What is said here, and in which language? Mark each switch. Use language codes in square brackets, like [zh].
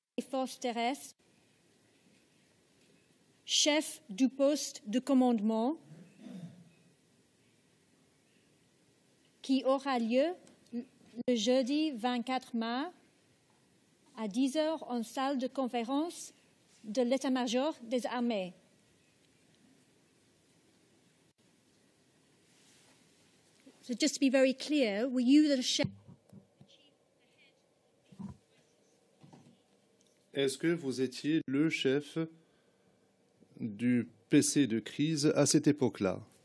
[fr] Forsteres, chef du poste de commandement, qui aura lieu le jeudi 24 mars à 10h en salle de conférence de l'état-major des armées. [en] So just to be very clear, were you the chef? [fr] Est-ce que vous étiez le chef du PC de crise à cette époque-là?